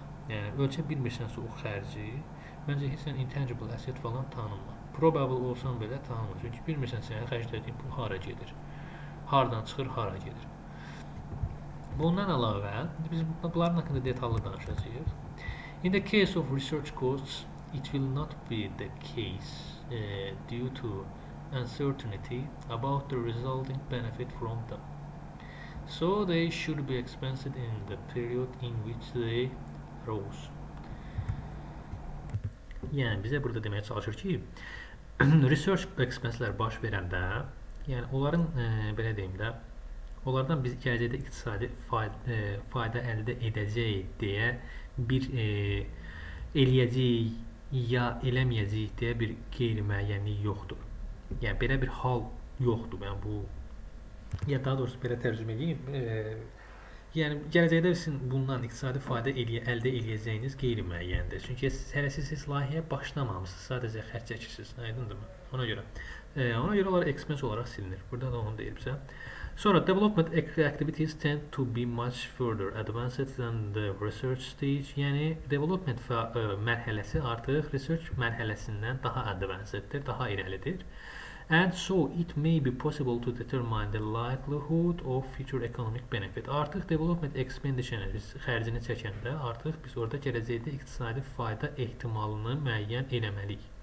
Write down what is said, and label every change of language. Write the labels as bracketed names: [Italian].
[Azerbaijani] Yəni, ölçə bilmirsənsə o xərci, məncə heç sən intangible asset falan tanınma. Probable olsan belə tanınma, çünki bilmirsən sənə xərclədiyin pul hara gedir, haradan çıxır, hara gedir. Bundan əlavə, biz bunların haqqında detallı danışacaq. [English] In the case of research costs, it will not be the case due to uncertainty about the resulting benefit from them. So they should be expensed in the period in which they rose. [Azerbaijani] Yəni bizə burada deməyə çalışır ki, research expense-lər baş verəndə, yəni onların belə deyim də, onlardan biz gələcəkdə iqtisadi fayda əldə edəcəyik deyə bir eləyəcəyik ya eləməyəcəyik deyə bir qeyri-müəyyənlik yoxdur. Yəni belə bir hal yoxdur. Mən bu ya daha doğrusu belə tərcümə edeyim. Yəni, gələcəkdə sizin bundan iqtisadi fayda əldə eləyəcəyiniz qeyri-müəyyəndir. Çünki hələ siz layihəyə başlamamışsınız, sadəcə xərc çəkirsiniz. Aydındır mı? Ona görə. Ona görə onlar expense olaraq silinir. Burada da onu deyibsə. Sonra, [English] development activities tend to be much further advanced than the research stage. [Azerbaijani] Yəni, development mərhələsi artıq research mərhələsindən daha advanced-dir, daha irəlidir. [English] And so it may be possible to determine the likelihood of future economic benefit. [Azerbaijani] Artıq development expenditure-ni xərcini çəkəndə artıq biz orada gələcəkdə iqtisadi fayda ehtimalını müəyyən eləməliyik.